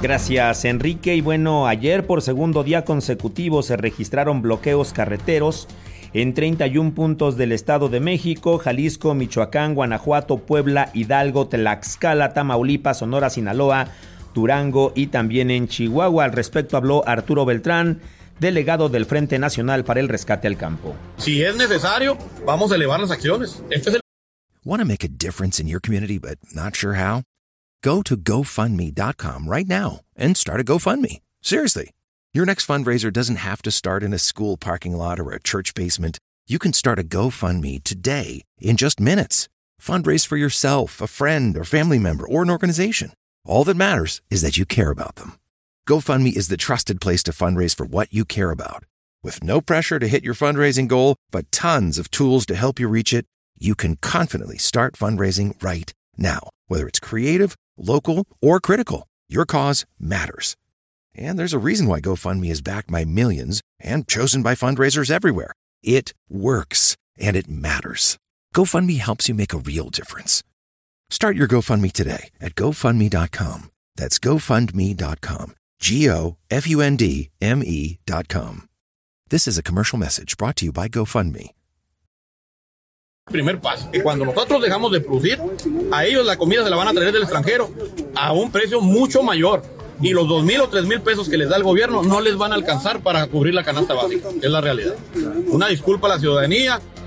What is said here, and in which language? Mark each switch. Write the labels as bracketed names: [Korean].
[Spanish] Gracias, Enrique. Y bueno, ayer por segundo día consecutivo se registraron bloqueos carreteros en 31 puntos del Estado de México: Jalisco, Michoacán, Guanajuato, Puebla, Hidalgo, Tlaxcala, Tamaulipas, Sonora, Sinaloa, Durango y también en Chihuahua. Al respecto habló Arturo Beltrán, delegado del Frente Nacional para el Rescate al Campo. Si es necesario, vamos a elevar las acciones. [English] Want to make a difference in your community but not sure how? Go to GoFundMe.com right now and start a GoFundMe. Seriously. Your next fundraiser doesn't have to start in a school parking lot or a church basement. You can start a GoFundMe today in just minutes. Fundraise for yourself, a friend, or family member, or an organization. All that matters is that you care about them. GoFundMe is the trusted place to fundraise for what you care about. With no pressure to hit your fundraising goal, but tons of tools to help you reach it, you can confidently start fundraising right now. Whether it's creative, local, or critical, your cause matters. And there's a reason why GoFundMe is backed by millions and chosen by fundraisers everywhere. It works, and it matters. GoFundMe helps you make a real difference. Start your GoFundMe today at GoFundMe.com. That's GoFundMe.com. GoFundMe.com. This is a commercial message brought to you by GoFundMe. [Spanish] Primer paso. Cuando nosotros dejamos de producir, a ellos la comida se la van a traer del extranjero a un precio mucho mayor. Y los 2,000 o 3,000 pesos que les da el gobierno no les van a alcanzar para cubrir la canasta básica. Es la realidad. Una disculpa a la ciudadanía.